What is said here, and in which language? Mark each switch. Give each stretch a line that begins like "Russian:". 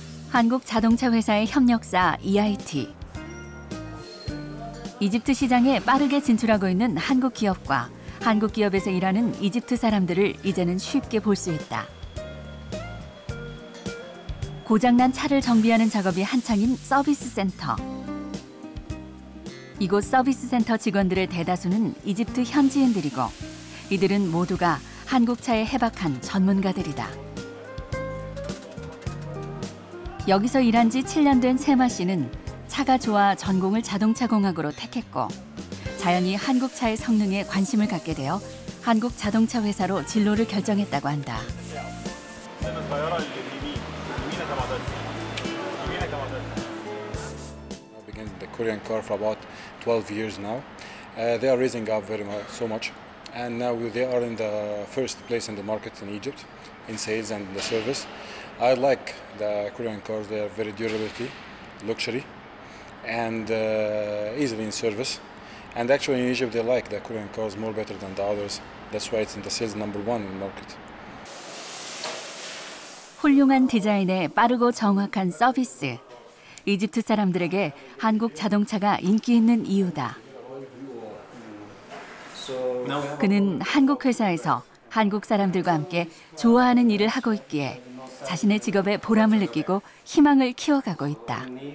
Korean: 한국 자동차 회사의 협력사 EIT 이집트 시장에 빠르게 진출하고 있는 한국 기업과 한국 기업에서 일하는 이집트 사람들을 이제는 쉽게 볼 수 있다 고장난 차를 정비하는 작업이 한창인 서비스 센터 이곳 서비스 센터 직원들의 대다수는 이집트 현지인들이고 이들은 모두가 한국 차에 해박한 전문가들이다. 여기서 일한 지 7년 된 세마 씨는 차가 좋아 전공을 자동차공학으로 택했고 자연히 한국 차의 성능에 관심을 갖게 되어 한국 자동차 회사로 진로를 결정했다고 한다. 네.
English: Korean car for about 12 years now. They are raising up very much, so much. and now they are in the first place in the market in Egypt in sales and the service. I like the Korean cars. They are very durability, luxury, and easily in service. And actually in Egypt they like the Korean cars more better than the others. That's why it's in the sales number one in the market.
Korean: 훌륭한 디자인에 빠르고 정확한 서비스. 이집트 사람들에게 한국 자동차가 인기 있는 이유다. 그는 한국 회사에서 한국 사람들과 함께 좋아하는 일을 하고 있기에 자신의 직업에 보람을 느끼고 희망을 키워가고 있다.